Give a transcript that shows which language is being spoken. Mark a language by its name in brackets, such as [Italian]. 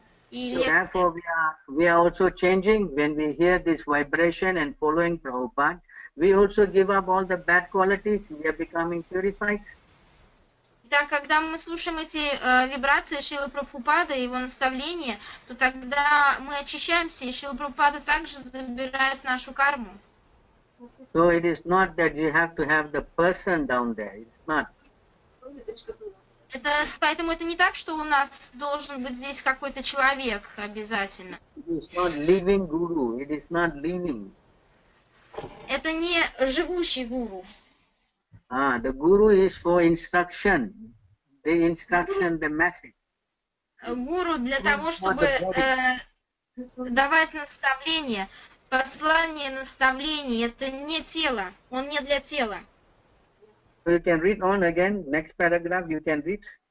[English] So therefore we are also changing when we hear this vibration and following Prabhupada. We also give up all the bad qualities, we are becoming purified. [Russian] Итак, когда мы слушаем эти вибрации Шрилы Прабхупады и его наставления, то тогда мы очищаемся, и Шрила Прабхупада также забирает нашу карму. [English] So it is not that you have to have the person down there. It's not. [Russian] Поэтому это не так, что у нас должен быть здесь какой-то человек обязательно. [English] It's not living guru. It is not living. [Russian] Это не живущий гуру. The guru is for instruction, the instruction, the message. Гуру для того, чтобы давать наставление, послание, наставление. Это не тело, он не для тела. [English] So you can read on again, next paragraph you can read.